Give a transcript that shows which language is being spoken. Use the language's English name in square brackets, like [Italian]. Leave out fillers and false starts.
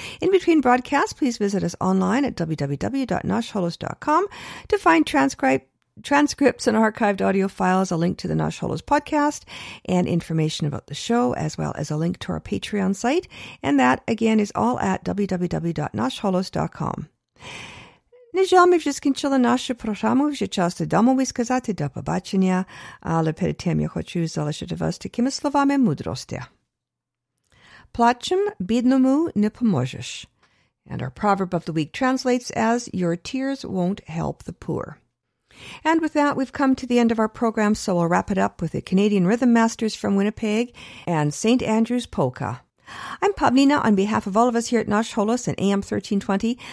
[English] In between broadcasts, please visit us online at www.nashholos.com to find transcripts and archived audio files, a link to the Nash Holos podcast, and information about the show, as well as a link to our Patreon site. And that, again, is all at www.nashholos.com. [Ukrainian] Нежал ми вже скінчила нашу програму, вже час додому висказати до побачення, але перед тим я хочу залишити вас такими словами мудрості. Плачем бідному не поможеш. [English] And our proverb of the week translates as, your tears won't help the poor. And with that, we've come to the end of our program, so we'll wrap it up with the Canadian Rhythm Masters from Winnipeg and St. Andrew's Polka. I'm Pavlina on behalf of all of us here at Nash Holos and AM 1320.